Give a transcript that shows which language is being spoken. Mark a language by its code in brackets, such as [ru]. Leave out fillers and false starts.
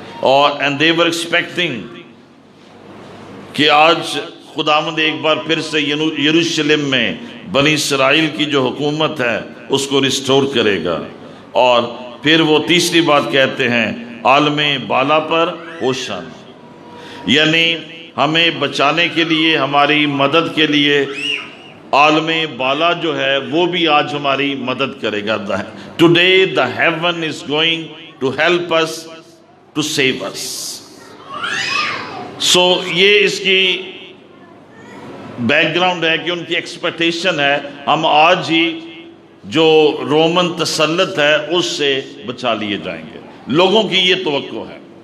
[ur] اور [en] and they were expecting [ur] کہ آج خداوند ایک بار پھر سے یروشلم میں بنی اسرائیل کی جو حکومت ہے اس کو ریسٹور کرے گا. اور پھر وہ تیسری بات کہتے ہیں، عالم بالا پر ہوشانا، یعنی ہمیں بچانے کے لیے، ہماری مدد کے لیے عالم بالا جو ہے وہ بھی آج ہماری مدد کرے گا. [en] Today the heaven is going to help us to save us. [ur] سو یہ اس کی بیک گراؤنڈ ہے کہ ان کی ایکسپیکٹیشن ہے ہم آج ہی جو رومن تسلط ہے اس سے بچا لیے جائیں گے. لوگوں کی یہ توقع ہے.